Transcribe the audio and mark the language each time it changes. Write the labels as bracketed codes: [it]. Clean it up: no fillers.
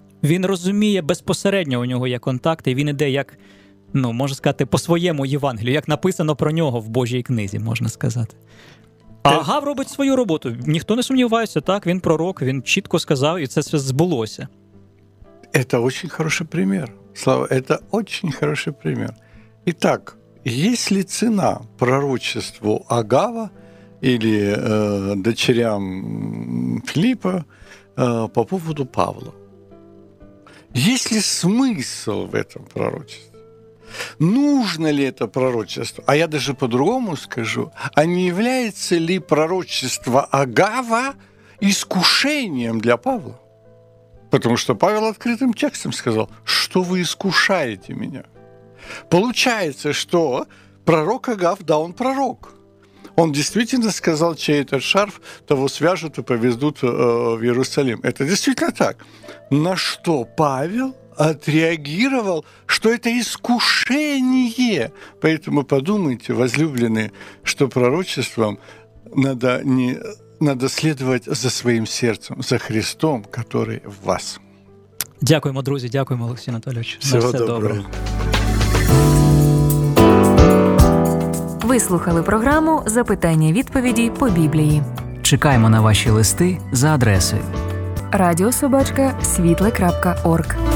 [uk] Він розуміє, безпосередньо у нього є контакти, він іде, як, ну, можна сказати, по своєму Євангелію, як написано про нього в Божій книзі, можна сказати. А Агав робить свою роботу, ніхто не сумнівається, так, він пророк, він чітко сказав, і це все збулося. [ru] Это очень хороший пример, Слава, это очень хороший пример. Итак, есть ли цена пророчеству Агава или дочерям Филиппа по поводу Павла? Есть ли смысл в этом пророчестве? Нужно ли это пророчество? А я даже по-другому скажу, а не является ли пророчество Агава искушением для Павла? Потому что Павел открытым текстом сказал, что вы искушаете меня. Получается, что пророк Агав, да, он пророк. Он действительно сказал, чей этот шарф, того свяжут и повезут в Иерусалим. Это действительно так. На что Павел отреагировал, что это искушение. Поэтому подумайте, возлюбленные, что пророчеством надо не... [uk] Надо слідувати за своїм серцем, за Христом, який в вас. Дякуємо, друзі, дякуємо, Олексій Анатолійович. Всього доброго. Ви слухали програму «Запитання-відповіді по Біблії». Чекаємо на ваші листи за адресою. Радіособачка.світле.орг